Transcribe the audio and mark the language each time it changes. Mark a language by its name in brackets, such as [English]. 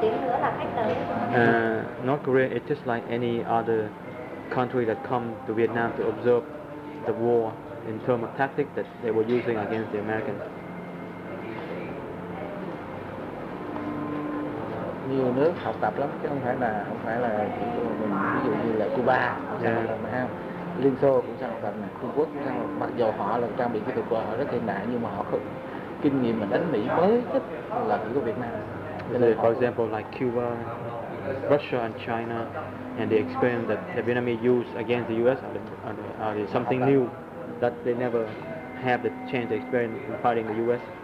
[English] North Korea is just like any other country that come to Vietnam to observe the war in terms of tactic that they were using against the Americans. [Vietnamese] Nhiều nước học tập lắm chứ không phải là ví dụ như là Cuba cũng sang học tập, Liên Xô cũng sang học tập nè, Trung Quốc cũng sang học tập. Mặc dù họ là trang bị kỹ thuật của họ rất hiện đại, nhưng mà họ không kinh nghiệm mà đánh Mỹ mới nhất là chỉ có Việt Nam. [English] For example, like Cuba, Russia, and China, and the experience that the Vietnamese use against the U.S. are something new that they never have the chance to experience in fighting the U.S.